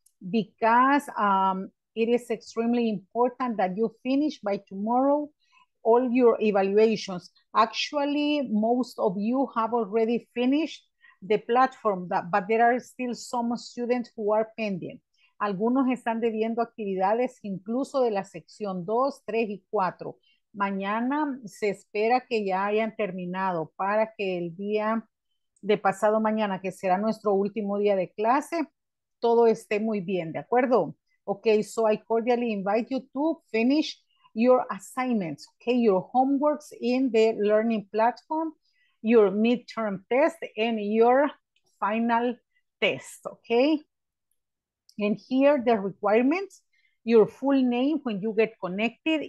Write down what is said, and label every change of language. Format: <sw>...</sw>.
<en>Because it is extremely important that you finish by tomorrow all your evaluations. Actually, most of you have already finished the platform, but there are still some students who are pending.</en> <es>Algunos están debiendo actividades incluso de la sección 2, 3 y 4. Mañana se espera que ya hayan terminado para que el día de pasado mañana, que será nuestro último día de clase, todo esté muy bien, ¿de acuerdo?</es> <en>Okay, so I cordially invite you to finish your assignments, okay, your homeworks in the learning platform, your midterm test, and your final test, okay? And here the requirements, your full name when you get connected.</en>